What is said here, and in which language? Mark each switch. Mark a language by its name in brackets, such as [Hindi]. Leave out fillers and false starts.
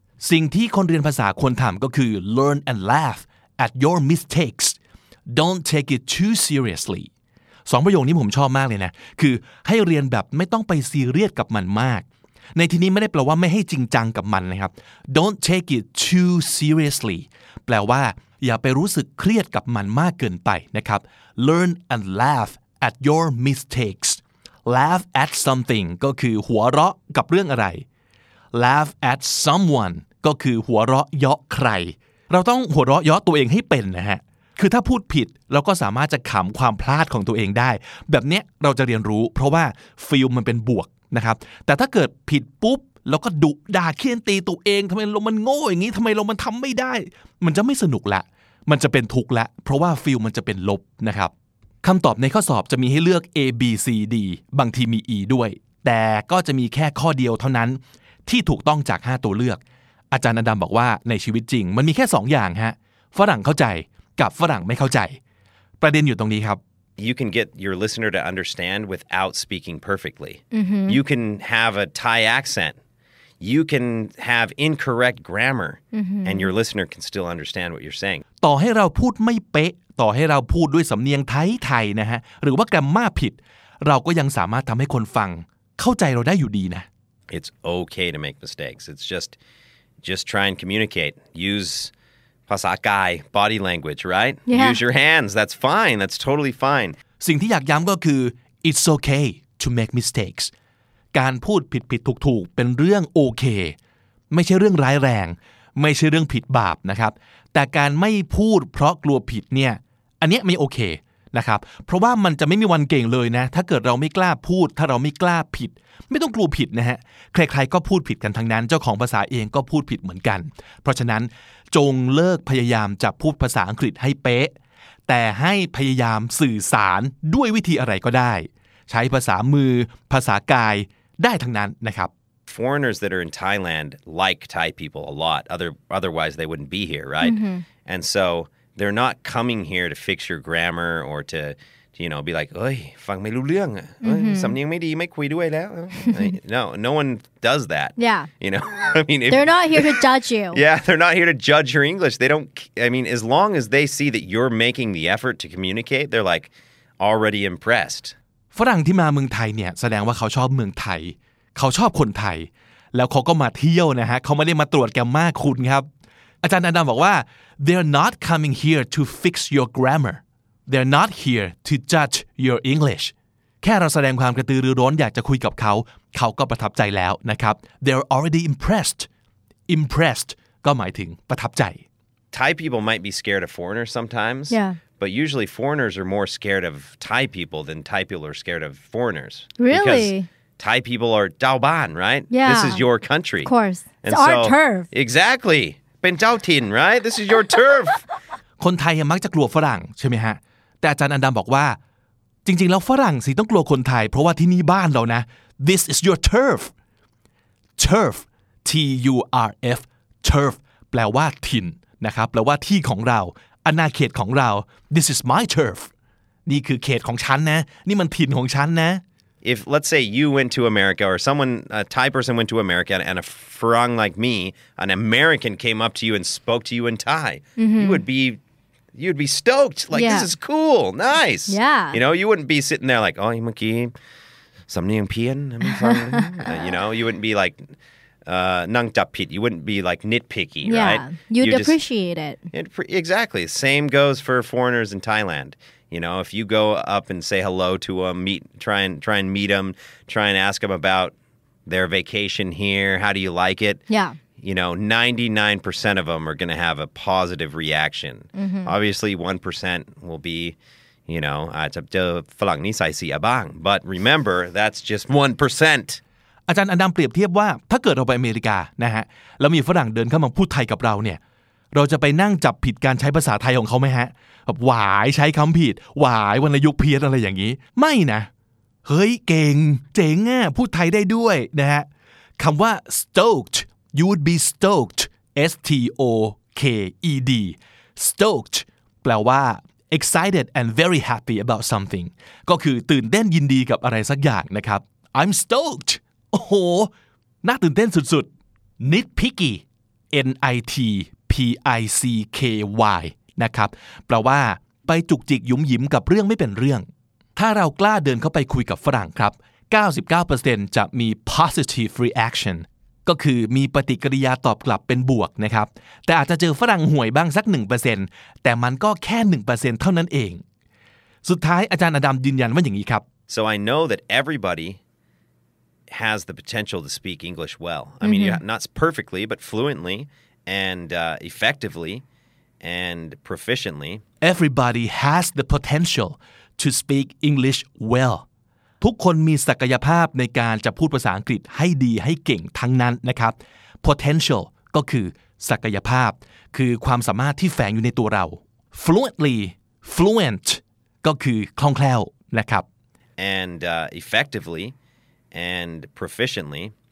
[Thai] สิ่งที่คนเรียนภาษาควรทำก็คือ [English] learn and laugh at your mistakes. Don't take it too seriously. [Thai] สองประโยคนี้ผมชอบมากเลยนะคือให้เรียนแบบไม่ต้องไปซีเรียสกับมันมากในที่นี้ไม่ได้แปลว่าไม่ให้จริงจังกับมันนะครับ [English] Don't take it too seriously [Thai] แปลว่าอย่าไปรู้สึกเครียดกับมันมากเกินไปนะครับ [English] Learn and laugh at your mistakes. Laugh at something [Thai] ก็คือหัวเราะกับเรื่องอะไร [English] Laugh at someone [Thai] ก็คือหัวเราะเยาะใครเราต้องหัวเราะเยาะตัวเองให้เป็นนะฮะคือถ้าพูดผิดเราก็สามารถจะขำความพลาดของตัวเองได้แบบเนี้ยเราจะเรียนรู้เพราะว่าฟีลมันเป็นบวกนะครับแต่ถ้าเกิดผิดปุ๊บแล้วก็ดุด่าเคี่ยนตีตัวเองทำไมเรามันโง่อย่างนี้ทำไมเรามันทำไม่ได้มันจะไม่สนุกละมันจะเป็นทุกข์ละเพราะว่าฟีลมันจะเป็นลบนะครับ คำตอบในข้อสอบจะมีให้เลือก A B C D บางทีมี E ด้วยแต่ก็จะมีแค่ข้อเดียวเท่านั้นที่ถูกต้องจาก5ตัวเลือกอาจารย์อดัมบอกว่าในชีวิตจริงมันมีแค่2อย่างฮะฝรั่งเข้าใจกับฝรั่งไม่เข้าใจประเด็นอยู่ตรงนี้ครับ [English] You can get your listener to understand without speaking perfectly. Mm-hmm. You can have a Thai accent. You can have incorrect grammar. Mm-hmm. And your listener can still understand what you're saying. [Thai] ต่อให้เราพูดไม่เป๊ะต่อให้เราพูดด้วยสำเนียงไทยๆนะฮะหรือว่าแกรมม่าผิดเราก็ยังสามารถทำให้คนฟังเข้าใจเราได้อยู่ดีนะ [English] It's okay to make mistakes. It's just try and communicate. Use [Thai] ภาษากาย [English] body language right yeah. use your hands that's fine that's totally fine [Thai] สิ่งที่อยากย้ำก็คือ [English] it's okay to make mistakes [Thai] การพูดผิดถูกๆเป็นเรื่องโอเคไม่ใช่เรื่องร้ายแรงไม่ใช่เรื่องผิดบาปนะครับแต่การไม่พูดเพราะกลัวผิดเนี่ยอันนี้ไม่โอเค นะครับเพราะว่ามันจะไม่มีวันเก่งเลยนะถ้าเกิดเราไม่กล้าพูดถ้าเราไม่กล้าผิดไม่ต้องกลัวผิดนะฮะใครๆก็พูดผิดกันทั้งนั้นเจ้าของภาษาเองก็พูดผิดเหมือนกันเพราะฉะนั้นจงเลิกพยายามจะพูดภาษาอังกฤษให้เป๊ะแต่ให้พยายามสื่อสารด้วยวิธีอะไรก็ได้ใช้ภาษามือภาษากายได้ทั้งนั้นนะครับ [English] Foreigners that are in Thailand like Thai people a lot otherwise they wouldn't be here right mm-hmm. and so they're not coming here to fix your grammar or toto you know be like [Thai] เอ้ยฟังไม่รู้เรื่องสำเนียงไม่ดีไม่คุยด้วยแล้ว [English] no one does that yeah you know I mean they're not here to judge you yeah they're not here to judge your English they don't I mean as long as they see that you're making the effort to communicate they're like already impressed [Thai] ฝรั่งที่มาเมืองไทยเนี่ยแสดงว่าเขาชอบเมืองไทยเขาชอบคนไทยแล้วเขาก็มาเที่ยวนะฮะเขาไม่ได้มาตรวจแกรมม่าคุณครับอาจารย์อดัมบอกว่า [English] they're not coming here to fix your grammarThey're not here to judge your English. [Thai] แค่เราแสดงความกระตือรือร้นอยากจะคุยกับเขาเขาก็ประทับใจแล้วนะครับ [English] They're already impressed. [Thai] Impressed ก็หมายถึงประทับใจ [English] Thai people might be scared of foreigners sometimes. Yeah. But usually foreigners are more scared of Thai people than Thai people are scared of foreigners. Really? Because Thai people are Dao Ban, right? Yeah. This is your country. Of course. It's our turf. Exactly. Ben Dao Tin, right? This is your turf. [Thai] คนไทยมักจะกลัวฝรั่งใช่ไหมฮะแต่อาจารย์อันดำบอกว่าจริงๆแล้วฝรั่งสิต้องกลัวคนไทยเพราะว่าที่นี่บ้านเรานะ [English] This is your turf turf T U R F turf [Thai] แปลว่าถิ่นนะครับแปลว่าที่ของเราอาณาเขตของเรา [English] This is my turf [Thai] นี่คือเขตของฉันนะนี่มันถิ่นของฉันนะ [English] If let's say you went to America or someone a Thai person went to America and a Furong like me an American came up to you and spoke to you in Thai mm-hmm. you'd be stoked like yeah. this is cool nice yeah you know you wouldn't be sitting there like oh monkey something pian you know you wouldn't be like nang da pit you wouldn't be like nitpicky yeah. right you'd appreciate just, it exactly same goes for foreigners in Thailand you know if you go up and say hello to them try and ask them about their vacation here how do you like it yeah You know, 99% of them are going to have a positive reaction. Mm-hmm. Obviously, 1% will be, you know, falang ni sai si abang. But remember, that's just 1%. [Thai] อาจารย์อดัมเปรียบเทียบว่าถ้าเกิดเราไปอเมริกานะฮะแล้วมีฝรั่งเดินเข้ามาพูดไทยกับเราเนี่ยเราจะไปนั่งจับผิดการใช้ภาษาไทยของเขาไหมฮะแบบหวายใช้คำผิดหวายวรรณยุกต์เพี้ยนอะไรอย่างนี้ไม่นะเฮ้ยเก่งเจ๋งอ่ะพูดไทยได้ด้วยนะฮะคำว่า [English] stokedYou would be stoked, S-T-O-K-E-D. Stoked [Thai] แปลว่า [English] excited and very happy about something. [Thai] ก็คือตื่นเต้นยินดีกับอะไรสักอย่างนะครับ [English] I'm stoked. [Thai] โอ้โหน่าตื่นเต้นสุดๆ Nitpicky NITPICKY นะครับแปลว่าไปจุกจิกยุ่มยิ้มกับเรื่องไม่เป็นเรื่องถ้าเรากล้าเดินเข้าไปคุยกับฝรั่งครับ 99% จะมี [English] positive reaction [Thai] ก็คือมีปฏิกิริยาตอบกลับเป็นบวกนะครับแต่อาจจะเจอฝรั่งห่วยบ้างสัก 1% แต่มันก็แค่ 1% เท่านั้นเองสุดท้ายอาจารย์อดัมยืนยันว่าอย่างนี้ครับ [English] So I know that everybodyhas the potential to speak English well. I mean, mm-hmm. not perfectly, but fluently and effectively and proficiently. Everybody has the potential to speak English well. [Thai] ทุกคนมีศักยภาพในการจะพูดภาษาอังกฤษให้ดีให้เก่งทั้งนั้นนะครับ Potential ก็คือศักยภาพคือความสามารถที่แฝงอยู่ในตัวเรา Fluently, fluent ก็คือคล่องแคล่วนะครับ [English] And effectively... And proficiently.